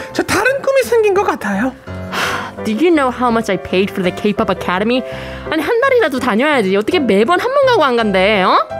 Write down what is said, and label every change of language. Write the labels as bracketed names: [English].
[Korean] 저 다른 꿈이 생긴 것 같아요. [English] Do you know how much I paid for the K-pop academy? [Korean] 아니, 한 달이라도 다녀야지. 어떻게 매번 한 번 가고 안 간대, 어?